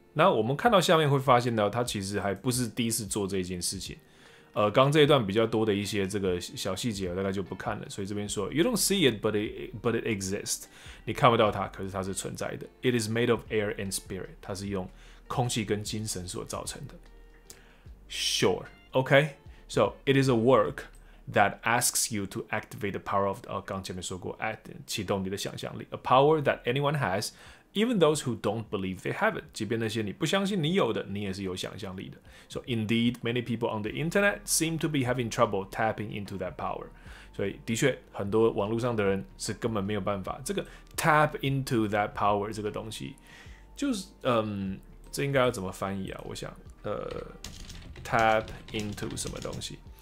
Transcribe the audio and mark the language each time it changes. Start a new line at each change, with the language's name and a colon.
Chinese: 那我们看到下面会发现到他其实还不是第一次做这件事情。刚这一段比较多的一些这个小细节大概就不看了，所以这边说
English: You don't see it, but it exists.
Chinese: 你看不到它，可是它是存在的。
English: It is made of air and spirit.
Chinese: 它是用空气跟精神所造成的。
English: Sure, okay. So it is a work that asks you to activate the power of
Chinese: 刚前面说过，启动你的想象力
English: ，a power that anyone has, even those who don't believe they have it.
Chinese: 即便那些你不相信你有的，你也是有想象力的。
English: So indeed, many people on the internet seem to be having trouble tapping into that power.
Chinese: 所以的确，很多网络上的人是根本没有办法这个
English: tap into that power
Chinese: 这个东西，就是这应该要怎么翻译啊？我想tap into 什么东西？